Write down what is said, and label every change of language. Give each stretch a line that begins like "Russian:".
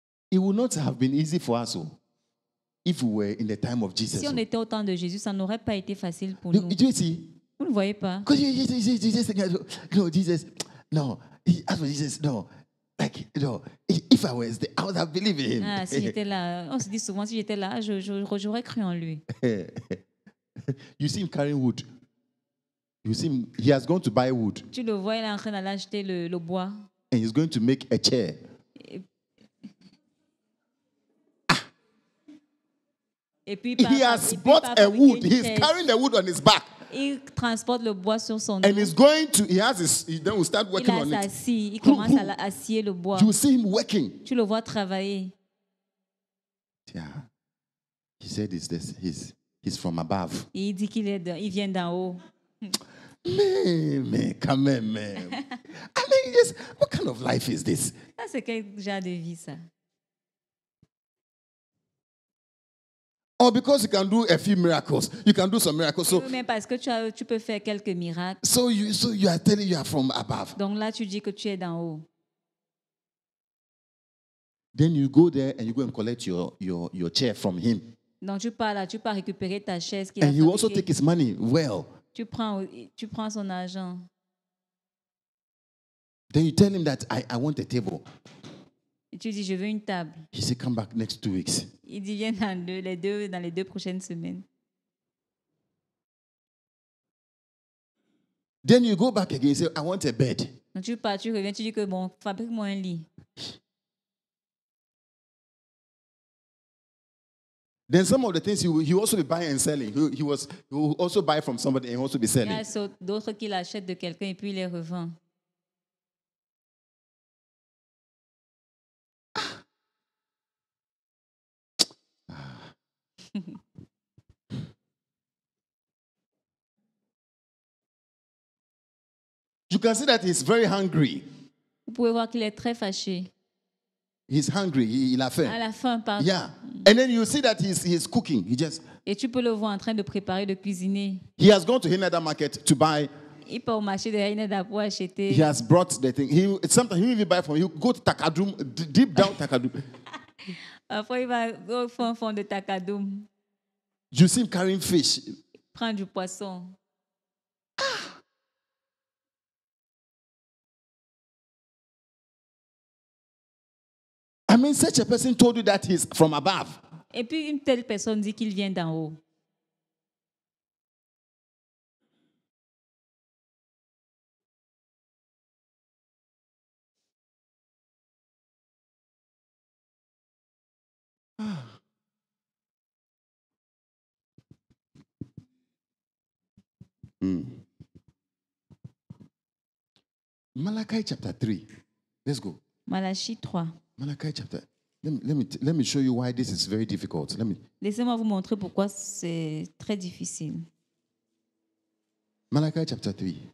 English: It would not have been easy for us. If we were in the time of Jesus.
French: Si on était au temps de Jésus, ça n'aurait pas été facile pour nous.
English: Do you see?
French: Vous ne voyez pas.
English: If I was there, I would have believed in him.
French: Ah, si j'étais là, on se dit souvent, si j'étais là, j'aurais cru en lui.
English: You see him carrying wood. You see him, he has gone to buy wood.
French: Tu le vois, il est en train d'aller acheter le bois.
English: And he's going to make a chair. He has bought a wood. He's carrying the wood on his back.
French: Il transporte le bois sur son dos.
English: And he's going to. He has his. He then will start working on it.
French: Il a assis. Il commence à assier le bois.
English: You see him working.
French: Tu le vois travailler.
English: Yeah. He said he's from above.
French: Il dit qu'il est. Il vient d'en haut. Mais, quand même.
English: I mean, just what kind of life is this?
French: Ça c'est quel genre de vie ça?
English: Oh, because you can do a few miracles. You can do some miracles. So,
French: mais parce que tu peux faire quelques miracles.
English: So you are telling you are from above.
French: Donc là, tu dis que tu es d'en haut.
English: Then you go there and you go and collect your chair from him.
French: Donc tu pars récupérer ta chaise.
English: And you also take his money well.
French: Tu prends son argent.
English: Then you tell him that I want a table.
French: Et tu dis, je veux une table.
English: He said, come back next 2 weeks.
French: Il dit, viens dans les deux prochaines semaines.
English: Then you go back again, you say, I want a bed.
French: Donc tu pars, tu reviens, tu dis que bon, fabrique-moi un lit.
English: Then some of the things he also be buying and selling. He will also buy from somebody and also be selling. Yeah, so
French: d'autres qu'il achète de quelqu'un et puis les revend.
English: You can see that he's very hungry.
French: Vous pouvez voir qu'il est très fâché.
English: He's hungry.
French: Il a faim. À la fin, pardon.
English: Yeah. And then you see that he's cooking. He just.
French: Et tu peux le voir en train de préparer, de cuisiner.
English: He has gone to Hinada market to buy.
French: Il part au marché de Hinada pour acheter.
English: He has brought the thing. He sometimes he will buy from. He go to Takadum, deep down Takadum.
French: Après, il va au fond de Takadum.
English: You see him carrying fish.
French: Prend du poisson.
English: I mean, such a person told you that he's from above.
French: Et puis une telle personne dit qu'il vient d'en haut.
English: Malachi chapter 3. Let's go. Malachi 3. Malachi chapter. Let me show you why this is very difficult.
French: Laissez-moi vous montrer pourquoi c'est très difficile.
English: Malachi chapter 3.